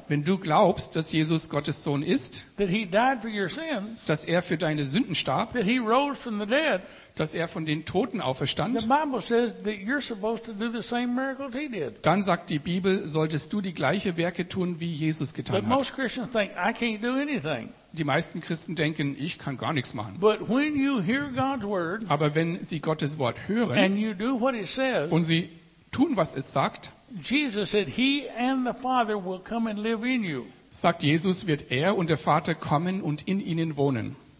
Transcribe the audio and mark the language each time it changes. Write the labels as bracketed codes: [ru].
[de] wenn du glaubst, dass Jesus Gottes Sohn ist, [en] that he died for your sins, [de] dass er für deine Sünden starb, [en] that he rose from the dead, [de] dass er von den Toten auferstand, [en] the Bible says that you're supposed to do the same miracles he did. [de] Dann sagt die Bibel, solltest du die gleiche Werke tun, wie Jesus getan [en] but [de] hat. [en] Most Christians think, I can't do anything. [de] Die meisten Christen denken, ich kann gar nichts machen. [en] But when you hear God's word, [de] aber wenn sie Gottes Wort hören [en] and you do what it says, [de] und sie tun, was es sagt, [en] Jesus said, he and the Father will come and live in you. [de] Sagt Jesus, wird er und der Vater kommen und in ihnen wohnen.